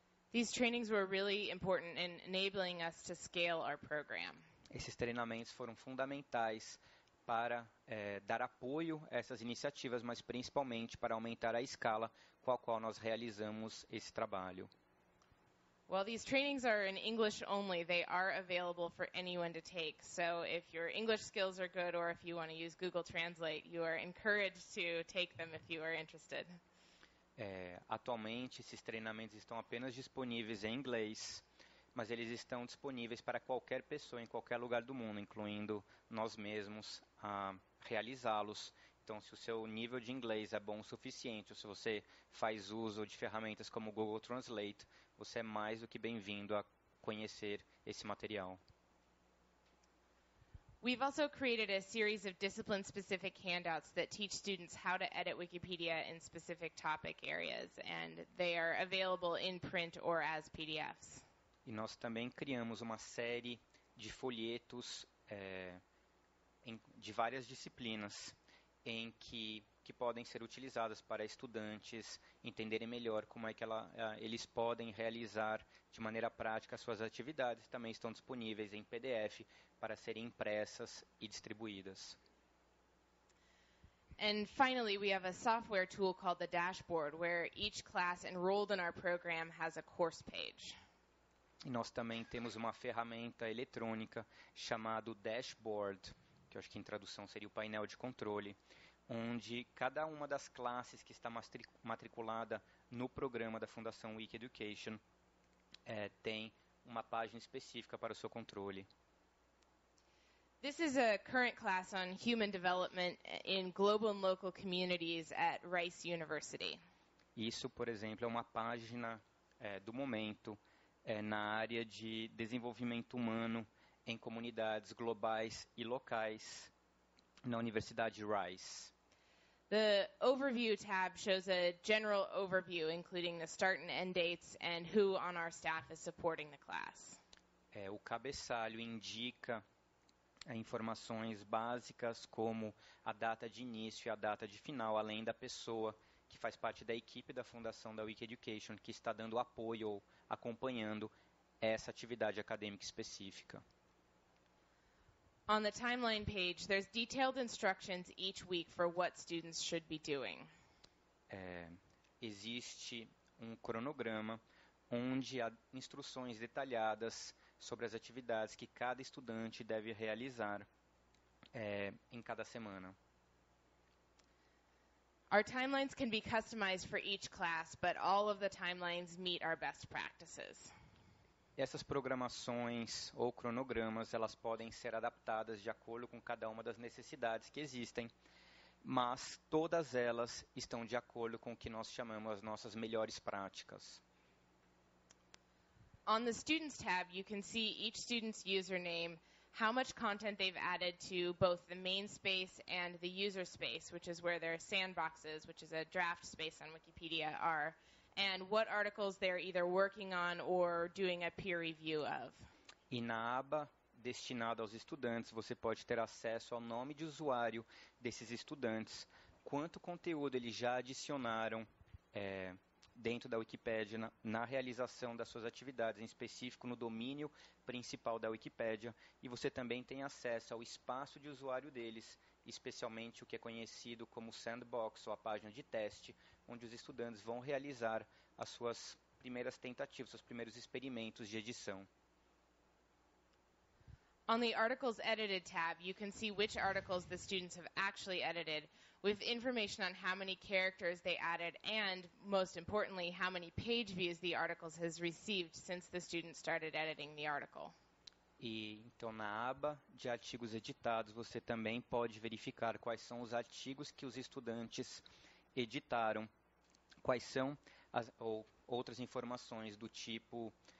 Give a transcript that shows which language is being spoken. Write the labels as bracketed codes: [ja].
[en] These trainings were really important in enabling us to scale our program. [pt] Esses treinamentos foram fundamentais para dar apoio a essas iniciativas, mas principalmente para aumentar a escala com a qual nós realizamos esse trabalho. [en] Well, these trainings are in English only. They are available for anyone to take. So if your English skills are good or if you want to use Google Translate, you are encouraged to take them if you are interested. [pt] Atualmente, esses treinamentos estão apenas disponíveis em inglês, mas eles estão disponíveis para qualquer pessoa em qualquer lugar do mundo, incluindo nós mesmos, a realizá-los. Então, se o seu nível de inglês é bom o suficiente, ou se você faz uso de ferramentas como Google Translate, você é mais do que bem-vindo a conhecer esse material. [en] We've also created a series of discipline-specific handouts that teach students how to edit Wikipedia in specific topic areas, and they are available in print or as PDFs. [pt] E nós também criamos uma série de folhetos de várias disciplinas em que podem ser utilizadas para estudantes entenderem melhor como é que eles podem realizar de maneira prática suas atividades. Também estão disponíveis em PDF para serem impressas e distribuídas. [en] And finally, we have a software tool called the Dashboard, where each class enrolled in our program has a course page. [pt] E nós também temos uma ferramenta eletrônica chamada Dashboard, que eu acho que em tradução seria o painel de controle, onde cada uma das classes que está matriculada no programa da Fundação Wiki Education tem uma página específica para o seu controle. [en] This is a current class on human development in global and local communities at Rice University. [pt] Isso, por exemplo, é uma página do momento na área de desenvolvimento humano em comunidades globais e locais na Universidade Rice. [en] The overview tab shows a general overview, including the start and end dates and who on our staff is supporting the class. [pt] O cabeçalho indica informações básicas como a data de início e a data de final, além da pessoa que faz parte da equipe da Fundação da Wiki Education, que está dando apoio ou acompanhando essa atividade acadêmica específica. [en] On the timeline page, there's detailed instructions each week for what students should be doing. [pt] Existe um cronograma onde há instruções detalhadas sobre as atividades que cada estudante deve realizar em cada semana. [en] Our timelines can be customized for each class, but all of the timelines meet our best practices. [pt] Essas programações ou cronogramas, elas podem ser adaptadas de acordo com cada uma das necessidades que existem, mas todas elas estão de acordo com o que nós chamamos as nossas melhores práticas. [en] On the students tab, you can see each student's username, how much content they've added to both the main space and the user space, which is where their sandboxes, which is a draft space on Wikipedia, are, and what articles they're either working on or doing a peer review of. [pt] E na aba destinada aos estudantes, você pode ter acesso ao nome de usuário desses estudantes, quanto conteúdo eles já adicionaram dentro da Wikipédia na realização das suas atividades, em específico no domínio principal da Wikipédia, e você também tem acesso ao espaço de usuário deles, especialmente o que é conhecido como sandbox, ou a página de teste, onde os estudantes vão realizar as suas primeiras tentativas, seus primeiros experimentos de edição. [en] On the Articles Edited tab, you can see which articles the students have actually edited, with information on how many characters they added and, most importantly, how many page views the articles has received since the student started editing the article. [pt] E, então, na aba de artigos editados, você também pode verificar quais são os artigos que os estudantes editaram, quais são as ou outras informações do tipo